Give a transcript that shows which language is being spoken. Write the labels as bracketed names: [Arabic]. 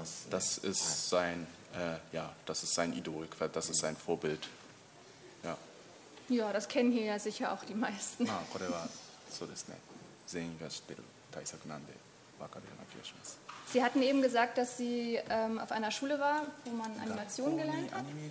[German] Das ist sein, ja, das ist sein Idol, das ist sein Vorbild. Ja. Ja, das kennen hier ja sicher auch die meisten. [Japanese] Ah, これはそうですね。全員が知ってる対策なんで、わかるような気がします。 [German] Sie hatten eben gesagt, dass Sie auf einer Schule war, wo man Animation gelernt hat.